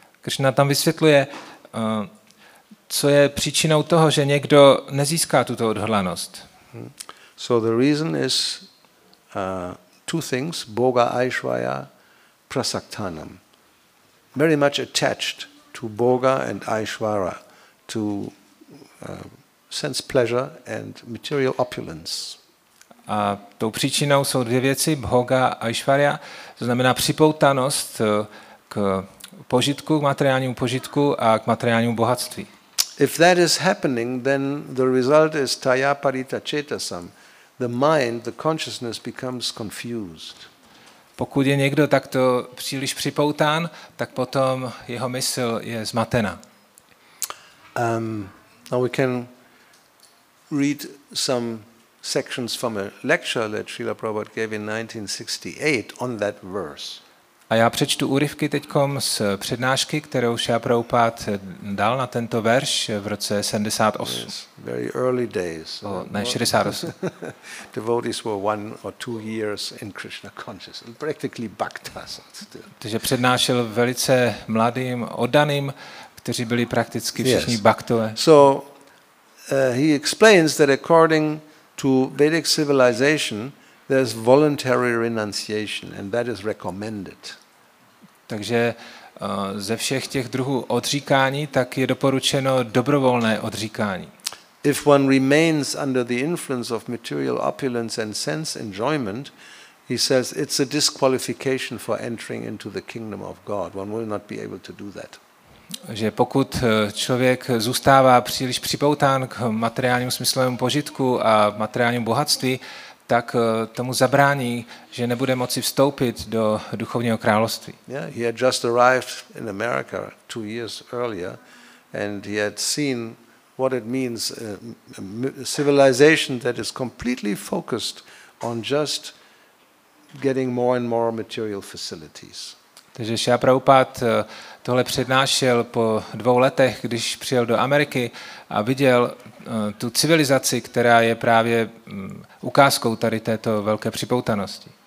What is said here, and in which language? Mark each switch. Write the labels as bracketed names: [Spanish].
[Czech] Krishna tam vysvětluje, co je příčinou toho, že někdo nezíská tuto odhodlanost? [English] So the reason is two things, [Sanskrit] Boga Aishvaya Prasaktanam. [English] Very much attached to Boga and Aishvara, to sense pleasure and material opulence. [Czech] A tou příčinou jsou dvě věci, Boga Aishvaria, to znamená připoutanost k požitku, k materiálnímu požitku a k materiálnímu bohatství. [English] If that is happening, then the result is [Sanskrit] taya parita cetasam. [English] The mind, the consciousness becomes confused. [Czech] Pokud je někdo takto příliš připoután, tak potom jeho mysl je zmatena. [English] Now we can read some sections from a lecture that Srila Prabhupada gave in 1968 on that verse. [Czech] A já přečtu úryvky teďkom z přednášky, kterou Srila Prabhupada dal na tento verš v roce 78. [English] Yes, very early days. [Czech] Ne, 68. [English] Devotees were one or two years in Krishna consciousness, practically bhaktas. [Czech] Takže přednášel velice mladým, oddaným, kteří byli prakticky všichni bhaktové. [English] So he explains that according to Vedic civilization, there's voluntary renunciation, and that is recommended. [Czech] Takže ze všech těch druhů odříkání, tak je doporučeno dobrovolné odříkání. [English] If one remains under the influence of material opulence and sense enjoyment, he says it's a disqualification for entering into the kingdom of God. One will not be able to do that. [Czech] Že pokud člověk zůstává příliš připoután k materiálnímu smyslovému požitku a materiálnímu bohatství, tak tomu zabrání, že nebude moci vstoupit do duchovního království. [English] Yeah, he had just arrived in America 2 years earlier and he had seen what it means a civilization that is completely focused on just getting more and more material facilities. [Czech] Takže Srila Prabhupada tohle přednášel po 2 letech, když přijel do Ameriky a viděl tu civilizaci, která je právě ukázkou tady této velké připoutanosti.